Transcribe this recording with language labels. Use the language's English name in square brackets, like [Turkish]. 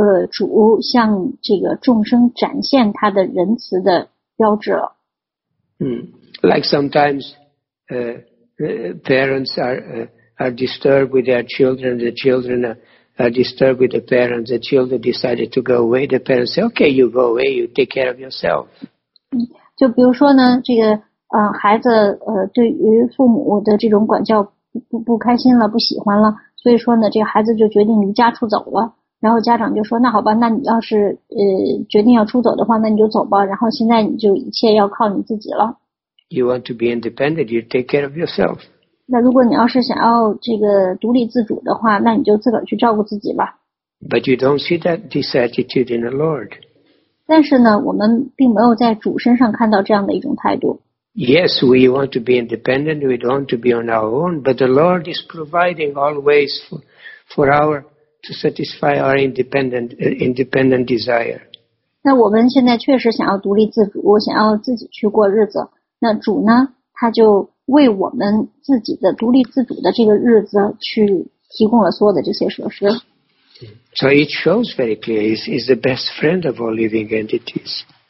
[Chinese] 主向这个众生展现他的仁慈的标志了。 [English] Like sometimes, parents are disturbed with their children, the children are disturbed with the parents, the children decided to go away, the parents say, okay, you go away, you take care of yourself. [Chinese] 就比如说呢，这个孩子对于父母的这种管教不开心了，不喜欢了，所以说呢，这个孩子就决定离家出走了。然后家长就说，那好吧，那你要是决定要出走的话，那你就走吧，然后现在你就一切要靠你自己了。 [English] You want to be independent, you take care of yourself. [Chinese] 那如果你要是想要这个独立自主的话，那你就自个儿去照顾自己吧。 [English] But you don't see that this attitude in the Lord. [Chinese] 但是呢，我们并没有在主身上看到这样的一种态度。 [English] Yes, we want to be independent, we don't want to be on our own, but the Lord is providing always for our... to satisfy our independent desire. [Chinese] 那我们现在确实想要独立自主，想要自己去过日子。那主呢，他就为我们自己的独立自主的这个日子去提供了所有的这些设施。 [English] So it shows very clearly, he's the best friend of all living entities.